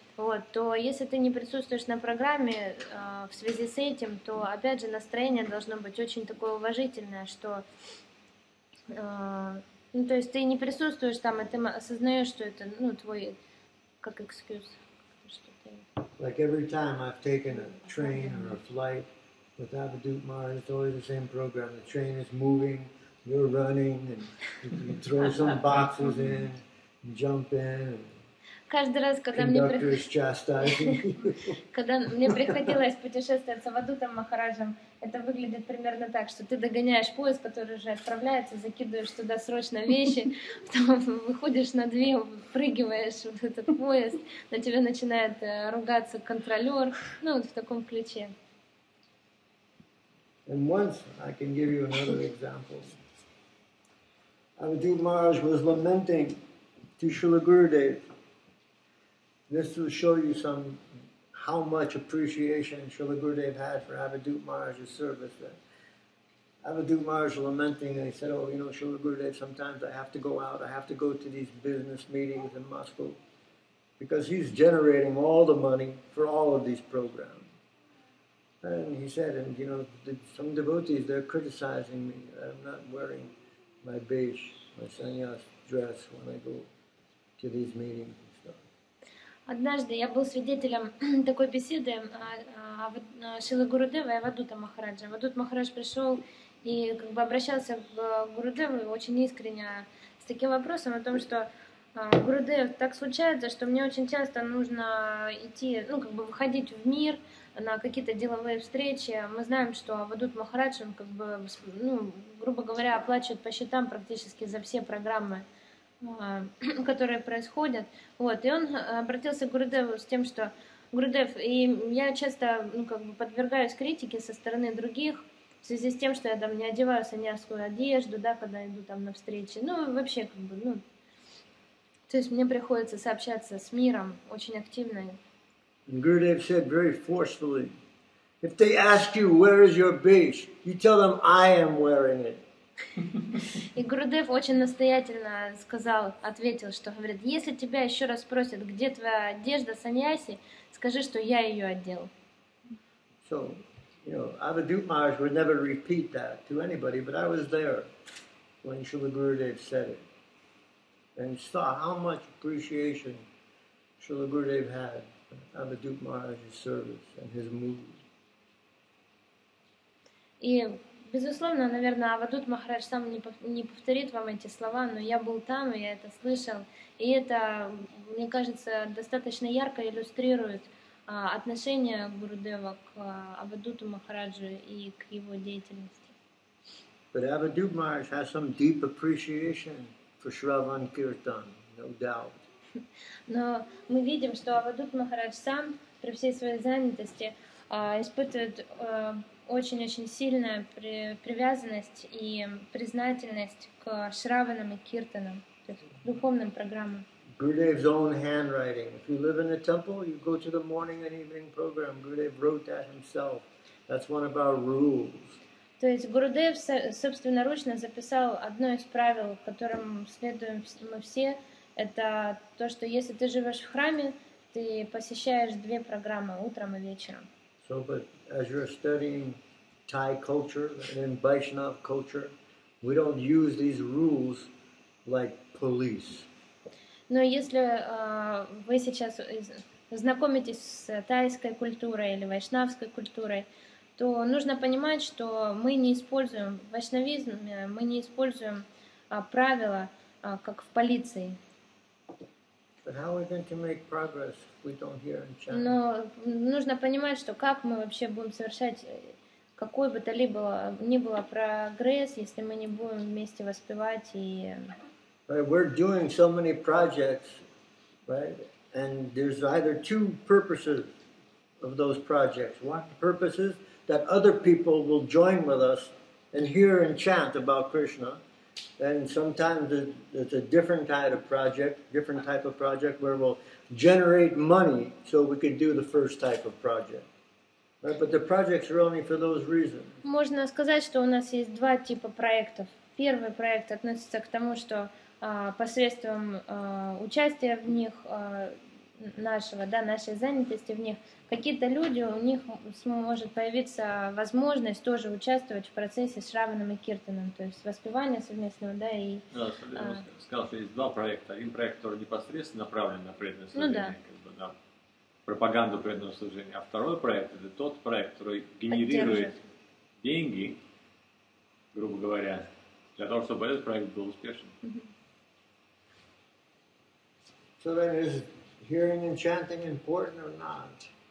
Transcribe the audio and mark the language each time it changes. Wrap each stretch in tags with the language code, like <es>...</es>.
<ru>Вот, то если ты не присутствуешь на программе в связи с этим, то опять же настроение должно быть очень такое уважительное, что ну, то есть ты не присутствуешь там, и ты осознаешь, что это ну, твой как excuse.</ru> <en>Like every time I've taken a train or a flight with Abhidhut Maharaj, it's always the same program. The train is moving, you're running, and you throw some boxes in, and jump in.</en> <ru>Каждый раз, когда мне приходилось путешествовать с Авадутом Махараджем, это выглядит примерно так, что ты догоняешь поезд, который уже отправляется, закидываешь туда срочно вещи, потом выходишь на две, прыгиваешь в этот поезд, на тебя начинает ругаться контролер, ну вот в таком ключе.</ru> <en>And once I can give you another example. Avadhut Maharaj was lamenting to Srila Gurudev. This will show you some how much appreciation Srila Gurudev had for Avadhut Maharaj's service. Avadhut Maharaj lamenting, and he said, "Oh, you know, Srila Gurudev, sometimes I have to go out. I have to go to these business meetings in Moscow because he's generating all the money for all of these programs." And he said, "And you know, some devotees they're criticizing me. I'm not wearing my besh, my sannyas dress when I go to these meetings."</en> <ru>Однажды я был свидетелем такой беседы Шрилы Гурудева и Авадута Махараджа. Авадут Махарадж пришел и как бы обращался к Гурудеву очень искренне с таким вопросом о том, что Гурудев, так случается, что мне очень часто нужно идти, ну, как бы выходить в мир на какие-то деловые встречи. Мы знаем, что Авадут Махарадж, он как бы, ну, грубо говоря, оплачивает по счетам практически за все программы, которые происходят. Вот. И он обратился к Гурудеву с тем, что Гурудев, и я часто ну, как бы подвергаюсь критике со стороны других в связи с тем, что я там не одеваю саньяскую одежду, да, когда иду там на встречи. Ну, вообще, как бы, ну, то есть мне приходится сообщаться с миром очень активно.</ru> <en>Гурудев said very forcefully, if they ask you where is your beach, you tell them I am wearing it.</en> <ru>И Гурудев очень настоятельно сказал, ответил, что говорит, если тебя еще раз спросят, где твоя одежда саньяси, скажи, что я ее одел.</ru> <en>So, you know, Avadhut Maharaj would never repeat that to anybody, but I was there when Srila Gurudev said it and saw how much appreciation Srila Gurudev had for Avadhut Maharaj's service and his mood.</en> <ru>И безусловно, наверное, Авадут Махарадж сам не повторит вам эти слова, но я был там, и я это слышал. И это, мне кажется, достаточно ярко иллюстрирует отношение Гурудева к Авадуту Махараджу и к его деятельности.</ru> <en>But Avadhut Maharaj has some deep appreciation for Shravan Kirtan, no doubt.</en> <ru>Но мы видим, что Авадут Махарадж сам при всей своей занятости испытывает очень-очень сильная привязанность и признательность к шраванам и киртанам, то есть духовным программам.</ru> <en>Gurudev's own handwriting. If you live in a temple, you go to the morning and evening program. Gurudev wrote that himself. That's one of our rules.</en> <ru>То есть Гурудев собственноручно записал одно из правил, которым следуем мы все. Это то, что если ты живешь в храме, ты посещаешь две программы утром и вечером.</ru> <en>So, but as you're studying Thai culture and in Vaishnav culture, we don't use these rules like police.</en> <ru>Но если вы сейчас знакомитесь с тайской культурой или вайшнавской культурой, то нужно понимать, что мы не используем вайшнавизм, мы не используем правила как в полиции.</ru> <en>But how are we going to make progress if we don't hear in China?</en> <ru>Но нужно понимать, что как мы вообще будем совершать какой бы то ни было прогресс, если мы не будем вместе воспевать и.</ru> <en>Right, we're doing so many projects, right? And there's either two purposes of those projects. One purpose is that other people will join with us and hear and chant about Krishna. And sometimes it's a different type of project, where we'll generate money so we can do the first type of project. Right? But the projects are only for those reasons.</en> <ru>Можно сказать, что у нас есть два типа проектов. Первый проект относится к тому, что посредством участия в них нашего, да, нашей занятости в них, какие-то люди, у них может появиться возможность тоже участвовать в процессе с Шраваном и Киртаном, то есть воспевание совместного, да, и... Да, сказал, что есть два проекта. Один проект, который непосредственно направлен на преданное служение, ну, да. Как бы, да, пропаганду преданного служения, а второй проект, это тот проект, который генерирует деньги, грубо говоря, для того, чтобы этот проект был успешен.</ru> <en>So then, is hearing and chanting important or not?</en>